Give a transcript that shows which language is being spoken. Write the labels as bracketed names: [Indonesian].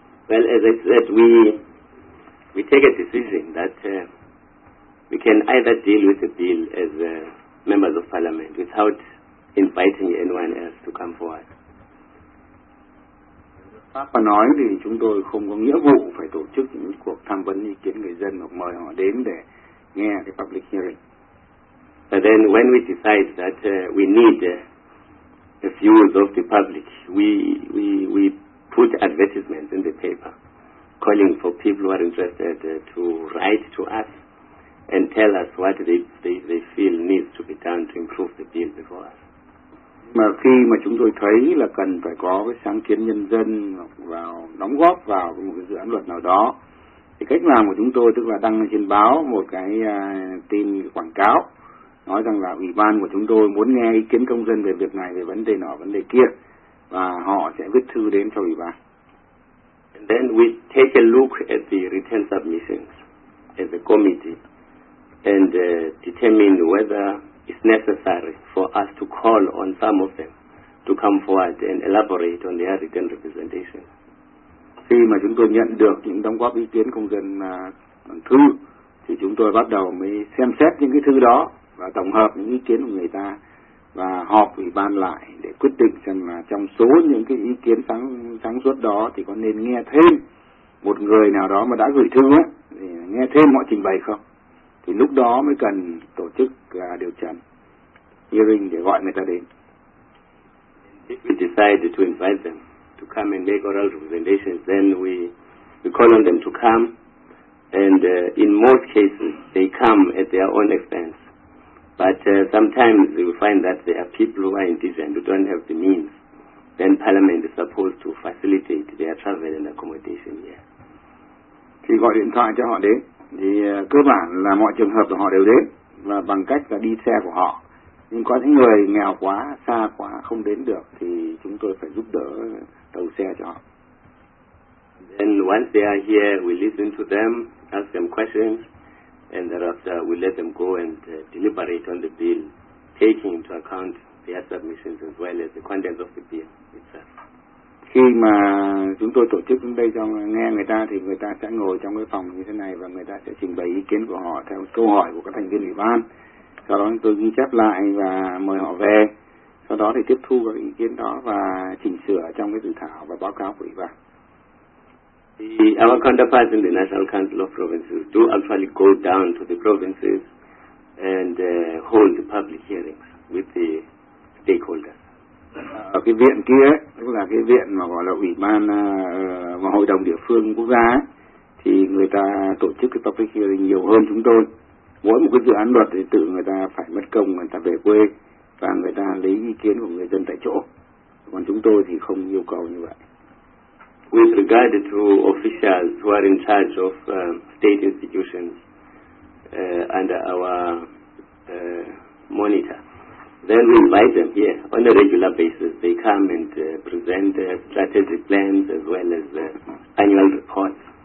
[English] Well, as I said, we take a decision that we can either deal with the bill as members of parliament without inviting anyone else to come forward. [Vietnamese] Pháp nói thì chúng tôi không có nghĩa vụ phải tổ chức những cuộc tham vấn ý kiến người dân hoặc mời họ đến để nghe cái public hearing. [English] But then when we decide that we need the views of the public, we put advertisements in the paper calling for people who are interested to write to us and tell us what they feel needs to be done to improve the bill before us. [Vietnamese] Mà khi mà chúng tôi thấy là cần phải có cái sáng kiến nhân dân vào đóng góp vào một cái dự án luật nào đó, thì cách làm của chúng tôi tức là đăng trên báo một cái tin quảng cáo nói rằng là ủy ban của chúng tôi muốn nghe ý kiến công dân về việc này, về vấn đề nọ, vấn đề kia, và họ sẽ viết thư đến cho ủy ban. [English] And then we take a look at the written submissions as a committee and determine whether it's necessary for us to call on some of them to come forward and elaborate on their written representation. [Vietnamese] Khi mà chúng tôi nhận được những đóng góp ý kiến công dân bằng thư, thì chúng tôi bắt đầu mới xem xét những cái thư đó và tổng hợp những ý kiến của người ta và họp ủy ban lại để quyết định rằng là trong số những cái ý kiến sáng suốt đó thì có nên nghe thêm một người nào đó mà đã gửi thư á, thì nghe thêm họ trình bày không? Thì lúc đó mới cần tổ chức điều trần hearing để gọi người ta đến. [English] If we decide to invite them to come and make oral representations, then we call on them to come, and in most cases they come at their own expense, but sometimes we find that there are people who are indigent who don't have the means, then parliament is supposed to facilitate their travel and accommodation here. [Vietnamese] thì gọi điện thoại cho họ đến. Thì cơ bản là mọi trường hợp của họ đều đến và bằng cách là đi xe của họ. Nhưng có những người nghèo quá, xa quá, không đến được thì chúng tôi phải giúp đỡ tàu xe cho họ. [English] And once they are here, we listen to them, ask them questions, and thereafter we let them go and deliberate on the bill, taking into account their submissions as well as the contents of the bill itself. [Vietnamese] Khi mà chúng tôi tổ chức đến đây cho nghe người ta thì người ta sẽ ngồi trong cái phòng như thế này và người ta sẽ trình bày ý kiến của họ theo câu hỏi của các thành viên ủy ban. Sau đó tôi ghi chép lại và mời họ về. Sau đó thì tiếp thu các ý kiến đó và chỉnh sửa trong cái dự thảo và báo cáo của ủy ban. [English] Our counterparts in the National Council of Provinces do actually go down to the provinces and hold public hearings with the stakeholders. [Vietnamese] Ở cái viện kia, tức là cái viện mà gọi là ủy ban và hội đồng địa phương quốc gia, thì người ta tổ chức cái public hearing nhiều hơn chúng tôi. Mỗi một cái dự án luật thì tự người ta phải mất công, người ta về quê và người ta lấy ý kiến của người dân tại chỗ. Còn chúng tôi thì không yêu cầu như vậy. [English] With regard to officials who are in charge of state institutions under our monitor, then we invite them here on a regular basis. They come and present their strategic plans as well as the annual reports.